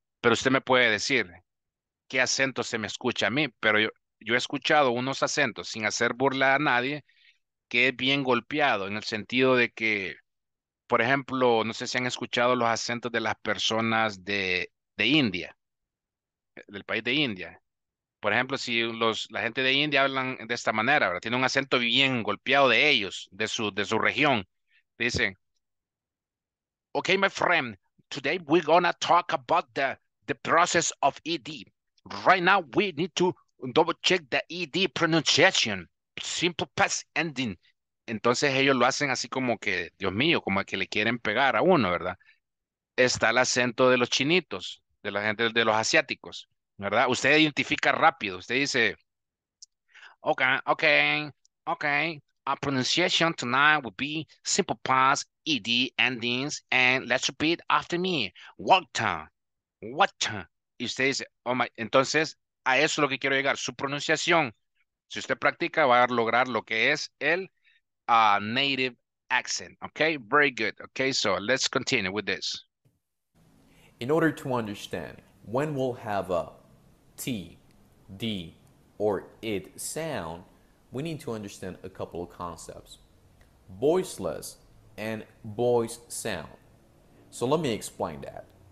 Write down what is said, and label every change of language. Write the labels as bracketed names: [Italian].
[Spanish] Pero usted me puede decir qué acento se me escucha a mí, pero yo he escuchado unos acentos, sin hacer burla a nadie, que es bien golpeado, en el sentido de que, por ejemplo, no sé si han escuchado los acentos de las personas de India, del país de India. Por ejemplo, si los, la gente de India hablan de esta manera, ¿verdad? Tiene un acento bien golpeado de ellos, de su región. [English] Dicen, okay, my friend, today we're gonna talk about the process of ED. Right now, we need to double check the ED pronunciation, simple past ending. [Spanish] Entonces ellos lo hacen así como que, Dios mío, como que le quieren pegar a uno, ¿verdad? Está el acento de los chinitos, de la gente de los asiáticos, ¿verdad? Usted identifica rápido, usted dice, [English] okay, our pronunciation tonight will be simple past, ED endings, and let's repeat after me, water. [Spanish] Y usted dice, oh my, entonces, a eso es lo que quiero llegar, su pronunciación, si usted practica, va a lograr lo que es el native accent, okay? [English] Very good, okay, so let's continue with this. In order to understand when we'll have a T, D, or it sound, we need to understand a couple of concepts. Voiceless and voice sound. So let me explain that.